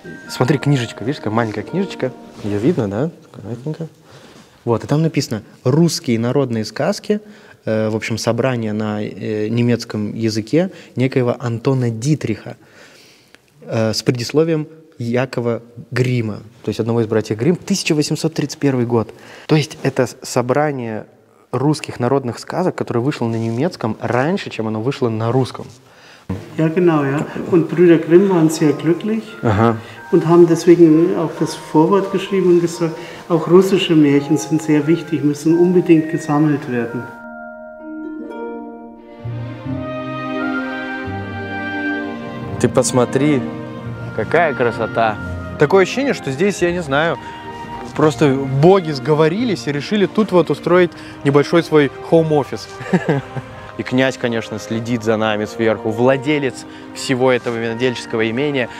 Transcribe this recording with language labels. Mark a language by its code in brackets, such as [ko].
[ru] Смотри, книжечка, видишь, какая маленькая книжечка. Ее видно, да? Вот, и там написано «Русские народные сказки», в общем, собрание на немецком языке некоего Антона Дитриха с предисловием Якова Грима, то есть одного из братьев Грим, 1831 год. То есть это собрание русских народных сказок, которое вышло на немецком раньше, чем оно вышло на русском. [de] Ja, genau, ja. Und Brüder Grimm waren sehr glücklich und haben deswegen auch das Vorwort geschrieben und gesagt, auch russische Märchen sind sehr wichtig, müssen unbedingt gesammelt werden. [ru] Ты посмотри, какая красота. Такое ощущение, что здесь, я не знаю, просто боги сговорились и решили тут вот устроить небольшой свой хоум-офис. И князь, конечно, следит за нами сверху, владелец всего этого винодельческого имения.